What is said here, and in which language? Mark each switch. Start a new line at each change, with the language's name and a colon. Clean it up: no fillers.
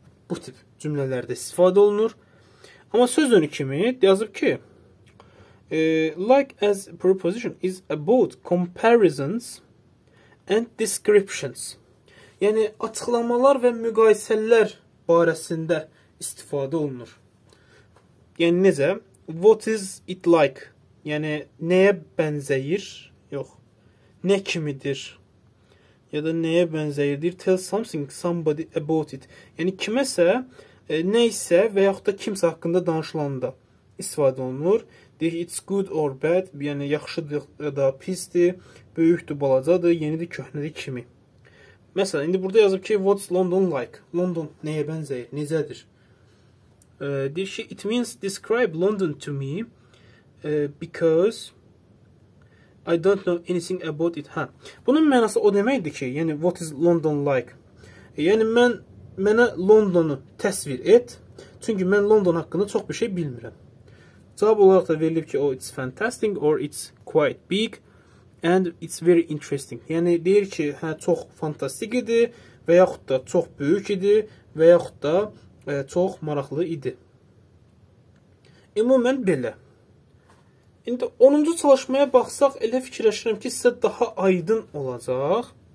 Azerbaijani: Bu tip cümlələrdə istifadə olunur. Amma söz önü kimi yazıb ki,
English: like as preposition is about comparisons and descriptions.
Azerbaijani: Yəni, açıqlamalar və müqayisələr barəsində istifadə olunur. Yəni, necə?
English: What is it like?
Azerbaijani: Yəni, nəyə bənzəyir? Yox, nə kimidir? Ya da nəyə bənzəyir?
English: Deyir, tell something somebody about it.
Azerbaijani: Yəni, kiməsə, nə isə və yaxud da kimsə haqqında danışılanda istifadə olunur. Deyir,
English: it's good or bad,
Azerbaijani: yəni yaxşıdır ya da pisdir, böyükdür, balacadır, yenidir, köhnədir kimi. Məsələn, indi burada yazıb ki,
English: what's London like?
Azerbaijani: London nəyə bənzəyir, necədir? Deyir ki,
English: it means describe London to me because I don't know anything about it. Ha.
Azerbaijani: Bunun mənası o deməkdir ki, yəni
English: what is London like?
Azerbaijani: Yəni mənə Londonu təsvir et. Çünki mən London haqqında çox bir şey bilmirəm. Cavab olaraq da verilib ki,
English: oh, it's fantastic or it's quite big and it's very interesting.
Azerbaijani: Yəni deyir ki, hə çox fantastik idi və yaxud da çox böyük idi və yaxud da çox maraqlı idi. Ümumən belə. İndi 10-cu çalışmaya baxsaq, elə fikirləşirəm ki, sizə daha aydın olacaq.